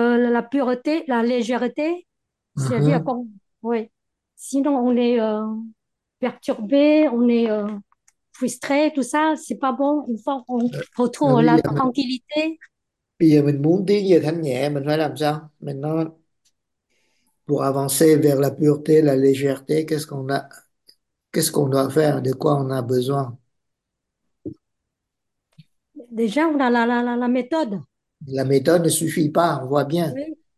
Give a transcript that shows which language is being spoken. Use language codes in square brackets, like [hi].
[fr] La pureté, la légèreté, c'est-à-dire qu'on, oui. Sinon, on est perturbé, on est frustré, tout ça, c'est pas bon. Une fois qu'on retrouve la tranquillité. [vi] Bây giờ mình muốn tiến về thanh nhẹ, mình phải làm sao? [fr] Maintenant, pour avancer vers la pureté, la légèreté, qu'est-ce qu'on doit faire? De quoi on a besoin? Déjà, on a la méthode. La méthode ne suffit pas, on voit bien. Oui.